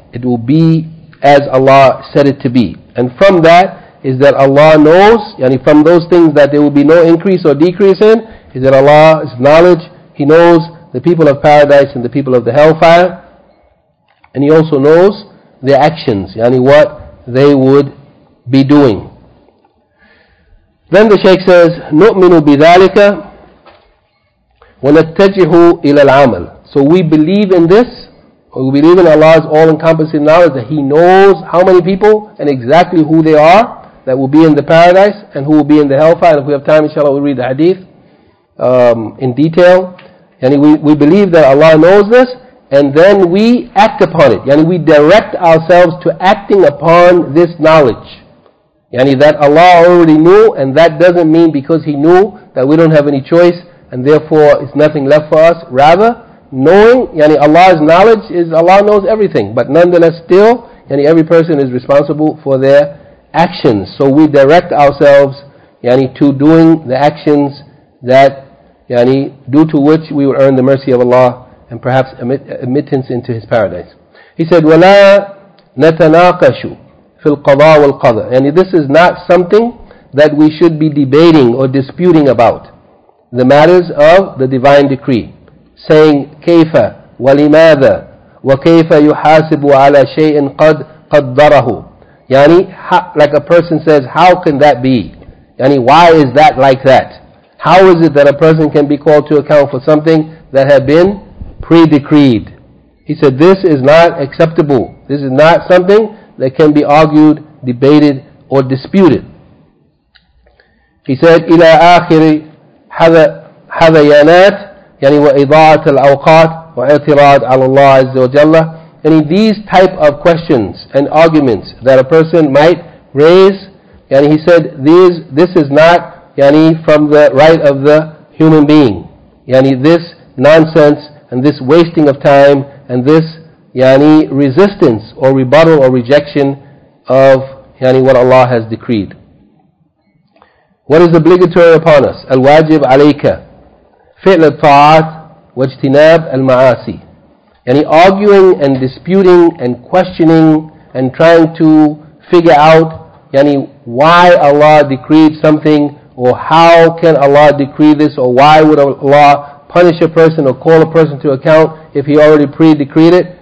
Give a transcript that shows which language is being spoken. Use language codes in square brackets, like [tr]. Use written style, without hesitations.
[en] It will be as Allah said it to be. And from that is that Allah knows, yani from those things that there will be no increase or decrease in, is that Allah's knowledge, He knows the people of paradise and the people of the hellfire, and He also knows their actions, yani what they would be doing. Then the Shaykh says, [ar] نُؤْمِنُ بِذَلِكَ وَنَتَّجِهُ إِلَى الْعَمَلِ. [en] So we believe in this, or we believe in Allah's all-encompassing knowledge, that He knows how many people and exactly who they are that will be in the paradise and who will be in the hellfire. And if we have time, inshallah, we'll read the hadith in detail. Yani we believe that Allah knows this, and then we act upon it. Yani we direct ourselves to acting upon this knowledge. Yani that Allah already knew, and that doesn't mean because He knew that we don't have any choice and therefore it's nothing left for us. Rather, knowing, yani Allah's knowledge is Allah knows everything, but nonetheless still, yani every person is responsible for their actions. So we direct ourselves, yani to doing the actions that, yani due to which we will earn the mercy of Allah and perhaps admittance into His paradise. He said, [ar] وَلَا نَتَنَاقَشُ فِي الْقَضَى وَالْقَضَى. [en] Yani this is not something that we should be debating or disputing about, the matters of the divine decree. Saying [ar] كيف ولماذا وكيف يحاسب على شيء قد قدره. [en] Yani like a person says, how can that be? Yani why is that like that? How is it that a person can be called to account for something that had been pre-decreed? He said, this is not acceptable. This is not something that can be argued, debated, or disputed. He said, [ar] إلى آخر حذيانات يعني وإضاعة الأوقات وإعتراض على الله عز وجل. [en] يعني these type of questions and arguments that a person might raise, يعني he said, this is not يعني from the right of the human being. يعني this nonsense and this wasting of time and this يعني resistance or rebuttal or rejection of يعني what Allah has decreed. What is obligatory upon us? [ar] الواجب عليك فعل الطاعات واجتناب المعاصي. [en] يعني arguing and disputing and questioning and trying to figure out يعني why Allah decreed something, or how can Allah decree this, or why would Allah punish a person or call a person to account if He already pre-decreed it?